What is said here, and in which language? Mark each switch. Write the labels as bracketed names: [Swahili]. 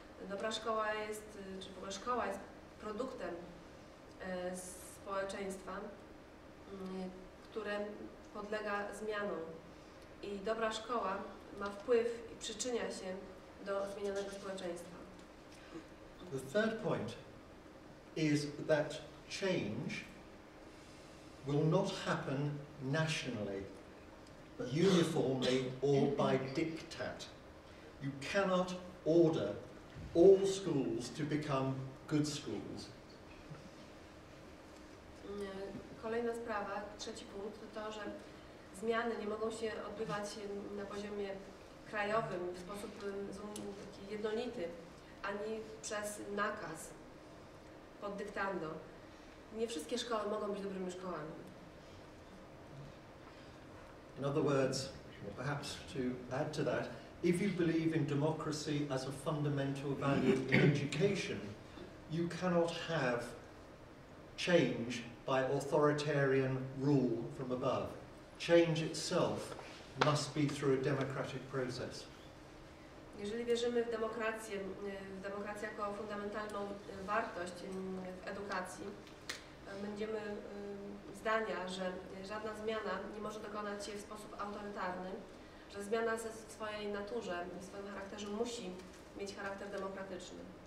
[Polish] Dobra szkoła jest, czy w ogóle szkoła jest produktem społeczeństwa, które podlega zmianom. I dobra szkoła ma wpływ i przyczynia się do zmienionego społeczeństwa. [English] The third point is that change will not happen nationally, uniformly, or by diktat. You cannot order all schools to become good schools. [Polish] Kolejna sprawa, trzeci punkt, to to, że zmiany nie mogą się odbywać na poziomie krajowym w sposób taki jednolity, ani przez nakaz, pod dyktando. Nie wszystkie szkoły mogą być dobrymi szkołami. [English] In other words, perhaps to add to that, if you believe in democracy as a fundamental value in education, you cannot have change by authoritarian rule from above. Change itself must be through a democratic process. [Polish] Jeżeli wierzymy w demokrację jako fundamentalną wartość w edukacji, będziemy zdania, że żadna zmiana nie może dokonać się w sposób autorytarny, że zmiana w swojej naturze, w swoim charakterze musi mieć charakter demokratyczny.